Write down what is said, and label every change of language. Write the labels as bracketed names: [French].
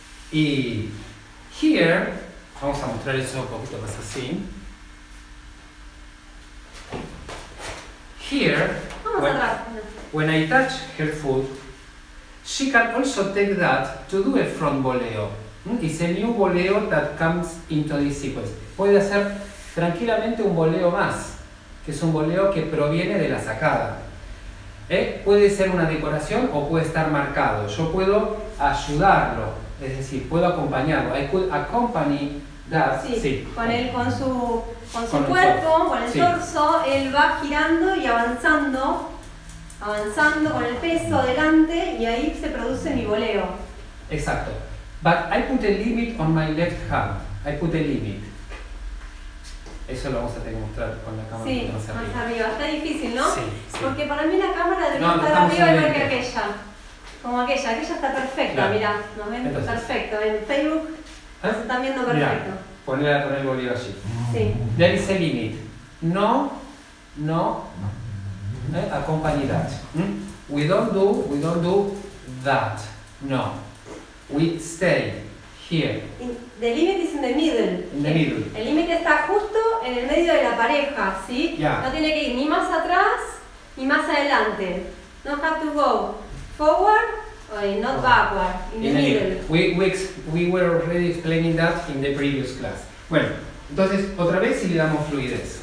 [Spanish] Y here, vamos a mostrar eso un poquito más así. [English] Here, when I touch her foot, she can also take that to do a front voleo. It's a new voleo that comes into this sequence. [Spanish] Puede hacer tranquilamente un voleo más, que es un voleo que proviene de la sacada. Puede ser una decoración o puede estar marcado. Yo puedo ayudarlo, es decir, puedo acompañarlo. [English] I could accompany that. [Spanish] Sí, sí. Con su cuerpo, con el torso, él va girando y avanzando con el peso adelante y ahí se produce mi voleo. Exacto. [English] But I put a limit on my left hand. I put a limit. [Spanish] Eso lo vamos a tener que mostrar con la cámara. Sí, más arriba. Está difícil, ¿no? Sí, sí. Porque para mí la cámara debe no, estar arriba igual que aquella. Como aquella. Aquella está perfecta, claro. Mirá. Nos ven perfecto. En Facebook se están viendo perfecto. Mira. poner el boleo así. Sí. [English] There is a limit. No, no, no. Accompany that. We don't do that. No. We stay here. The limit is in the middle. In the middle. [Spanish] El límite está justo en el medio de la pareja, ¿sí? [English] Yeah. [Spanish] No tiene que ir ni más atrás ni más adelante. [English] No have to go forward. We were already explaining that in the previous class. [Spanish] Bueno, entonces otra vez si le damos fluidez.